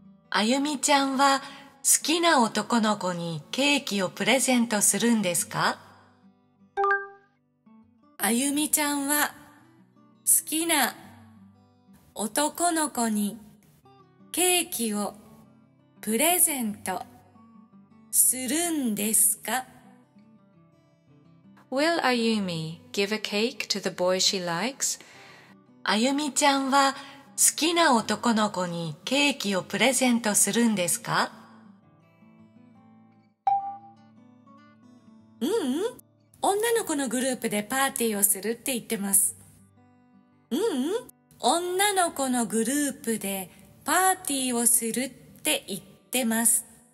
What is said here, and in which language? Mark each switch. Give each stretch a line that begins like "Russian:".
Japanese: あゆみちゃんは好きな男の子にケーキをプレゼントするんですか？あゆみちゃんは好きな男の子にケーキをプレゼントするんですか？
English: Will Ayumi give a cake to the boy she likes?
Japanese: あゆみちゃんは好きな男の子にケーキをプレゼントするんですか？ううん、女の子のグループでパーティーをするって言ってます。ううん、女の子のグループでパーティーをするって言ってます。